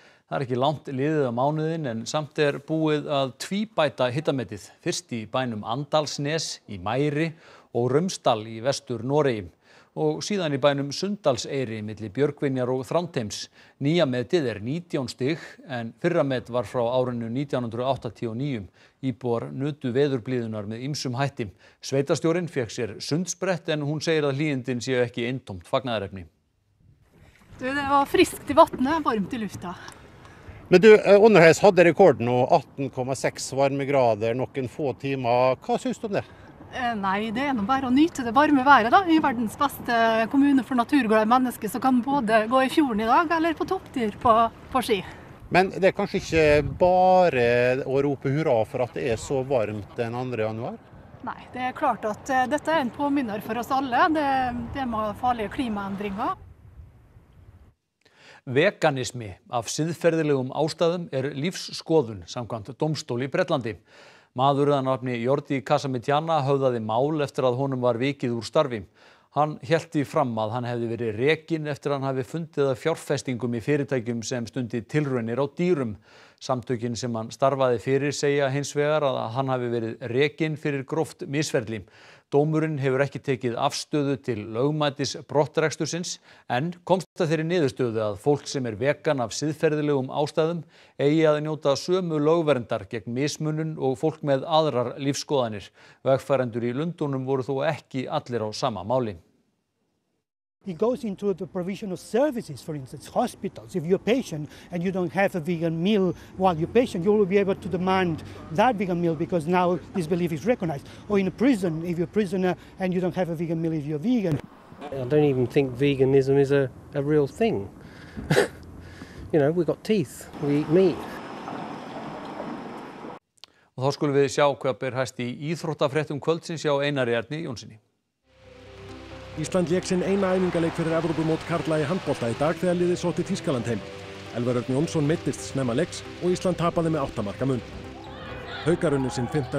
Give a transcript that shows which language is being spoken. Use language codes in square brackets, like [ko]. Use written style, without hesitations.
[is] Það ekki langt liðið á mánuðin en samt búið að tvíbæta hitametið fyrst í bænum Andalsnes í Mæri og Rumsdal í vestur Noregi og síðan í bænum Sundalseyri milli Björgvinjar og Þrándheims. Nýja metið 19 stig en fyrra met var frá árinu 1989. Íbúar nutu veðurblíðunar með ýmsum hætti. Sveitastjórinn fékk sér sundsprett en hún segir að hlýindin séu ekki eintómt fagnaðarefni. [no] Det var friskt i vattnet, varmt i lufta. Men du, underhets hadde rekorden og 18,6 varmegrader noen få timer. Hva synes du om det? Nei, det nå bare å nyte det varme været da. I verdens beste kommune for naturglade mennesker så kan både gå i fjorden i dag eller på topptur på ski. [sv] Men det är kanske inte bara att ropa hurra för att det är så varmt den 2 januari. Nej, det är klart att detta är en påminnelse för oss alla. Det med farliga klimatändringar. [is] Veganismi af siðferðilegum ástæðum er lífsskoðun samkvæmt dómstól í Bretlandi. Maður að nafni Jordi Casamitjana höfðaði mál eftir að honum var vikið úr starfi. Hann hélt því fram að hann hefði verið rekinn eftir að hann hafi fundið að fjárfestingum í fyrirtækjum sem stundi tilraunir á dýrum. Samtökin sem hann starfaði fyrir segja hins vegar að hann hafi verið rekinn fyrir gróft misferli. Dómurinn hefur ekki tekið afstöðu til lögmætis brottrekstursins en komst að þeirri niðurstöðu að fólk sem vegan af siðferðilegum ástæðum eigi að njóta sömu lögverndar gegn mismunun og fólk með aðrar lífsskoðanir. Vegfarendur í Lundunum voru þó ekki allir á sama máli. [en] It goes into the provision of services, for instance, hospitals. If you're a patient and you don't have a vegan meal while you're patient, you will be able to demand that vegan meal because now this belief is recognized. Or in a prison, if you're a prisoner and you don't have a vegan meal if you're vegan. I don't even think veganism is a real thing. You know, we've got teeth, we eat meat. [is] Og þá skulum við sjá hvað ber hæst í íþróttafréttum kvöldsins hjá Einari Erni Jónssyni. Ísland lék sinn eina æfingaleik fyrir Evrópumót karla í handbolta í dag þegar liðið sótti Þýskaland heim. Elfar Örn Jónsson meiddist snemma leiks og Ísland tapaði með 8 marka mun. Haukar unnu sinn 5.